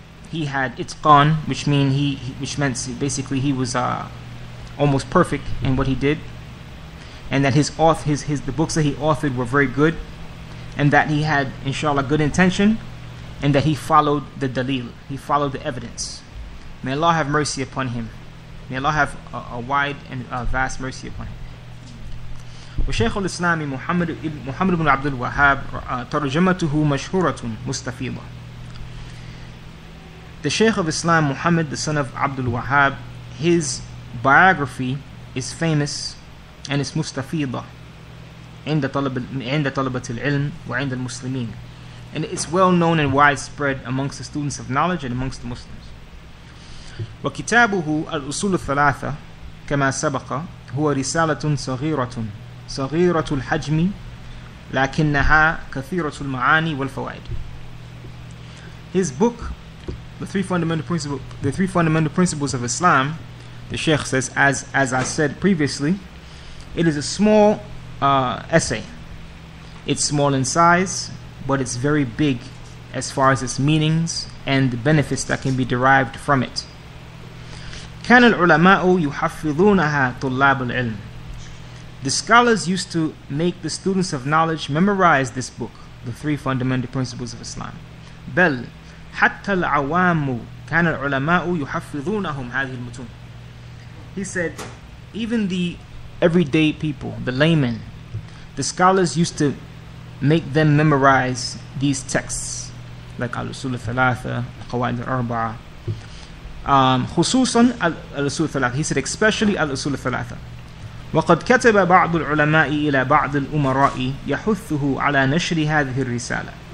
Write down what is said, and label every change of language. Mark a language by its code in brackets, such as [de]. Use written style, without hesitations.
[en] He had itqan, which meant basically he was almost perfect in what he did, and that the books that he authored were very good, and that he had, inshallah, good intention, and that he followed the dalil, he followed the evidence. May Allah have mercy upon him. May Allah have a wide and a vast mercy upon him. [ar] وشيخ الإسلام محمد بن عبد الوهاب ترجمته مشهورة مستفيضة. [en] The Sheikh of Islam, Muhammad, the son of Abdul Wahhab, his biography is famous and is mustafida [ar] عند طلبة العلم وعند المسلمين. [en] and it's well known and widespread amongst the students of knowledge and amongst the Muslims. [ar] وكتابه الأصول الثلاثة كما سبق هو رسالة صغيرة صغيرة الحجم لكنها كثيرة المعاني والفوائد. [en] His book, The Three Fundamental Principles of Islam, the Sheikh says, as I said previously, it is a small essay. It's small in size, but it's very big as far as its meanings and the benefits that can be derived from it. [ar] كان العلماء يحفظونها طلاب العلم. [en] The scholars used to make the students of knowledge memorize this book, The Three Fundamental Principles of Islam. [ar] بل حتى العوام كان العلماء يحفظونهم هذه المتون. [en] He said, even the everyday people, the laymen, the scholars used to make them memorize these texts, like al-usul al-thalatha, al-qawaid al-arba'a, [ar] khususan al-usul al-thalatha. [en] He said, especially al-usul al-thalatha. [ar] وقد كتب بعض العلماء إلى بعض الأمراء يحثه على نشر هذه الرسالة.